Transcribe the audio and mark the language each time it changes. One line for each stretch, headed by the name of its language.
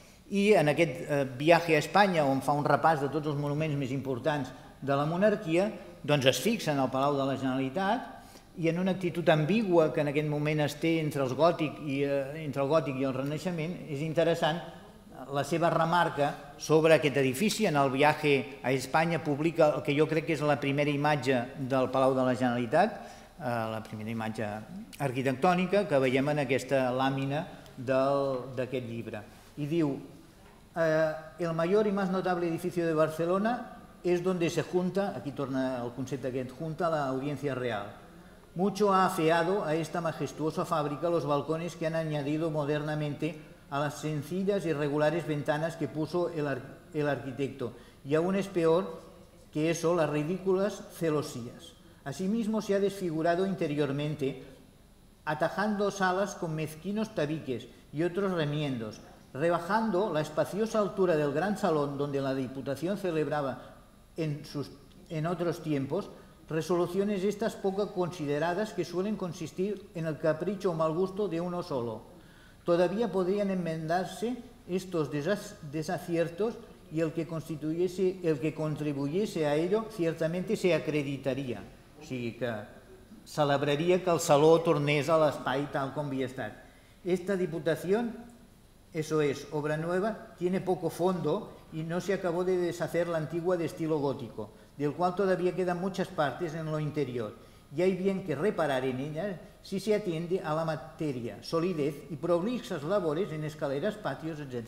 Catalan: i en aquest viatge a Espanya, on fa un repàs de tots els monuments més importants de la monarquia, doncs es fixa en el Palau de la Generalitat i en una actitud ambigua que en aquest moment es té entre el gòtic i el Renaixement, és interessant la seva remarca sobre aquest edifici. En el viatge a Espanya publica el que jo crec que és la primera imatge del Palau de la Generalitat, la primera imatge arquitectònica que veiem en aquesta làmina d'aquest llibre. I diu,
Spanish: el mayor y más notable edificio de Barcelona es donde se junta,
Catalan: aquí torna el concepte aquest,
Spanish: junta la Audiencia Real. Mucho ha afeado a esta majestuosa fábrica los balcones que han añadido modernamente a las sencillas y regulares ventanas que puso el arquitecto, y aún es peor que eso, las ridículas celosías. Asimismo, se ha desfigurado interiormente, atajando salas con mezquinos tabiques y otros remiendos, rebajando la espaciosa altura del gran salón donde la Diputación celebraba en otros tiempos, resoluciones estas poco consideradas que suelen consistir en el capricho o mal gusto de uno solo. Todavía podrían enmendarse estos desaciertos y el que contribuyese a ello ciertamente se acreditaría.
Catalan: O sigui que celebraría que el saló tornés a l'espai tal com havia estat.
Spanish: Esta diputación, eso es, obra nueva, tiene poco fondo y no se acabó de deshacer la antigua de estilo gótico, del cual todavía quedan muchas partes en lo interior. Y hay bien que reparar en ellas si se atiende a la materia, solidez y prolixas labores en escaleras, patios, etc.